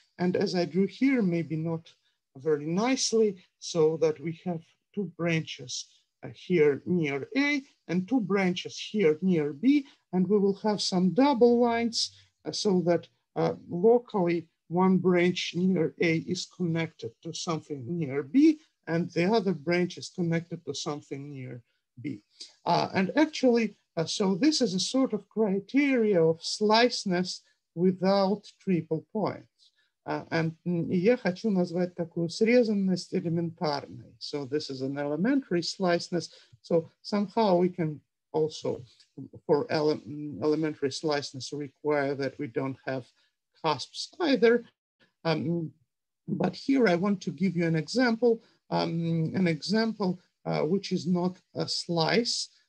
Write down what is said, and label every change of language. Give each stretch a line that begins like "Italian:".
English: And as I drew here, maybe not very nicely, so that we have two branches here near A and two branches here near B, and we will have some double lines so that locally one branch near A is connected to something near B and the other branch is connected to something near B. And actually, so this is a sort of criteria of sliceness without triple points.
Russian: And я хочу назвать такую срезанность элементарной.
English: So this is an elementary sliceness. So somehow we can also for elementary sliceness require that we don't have cusps either. But here I want to give you an example which is not a slice.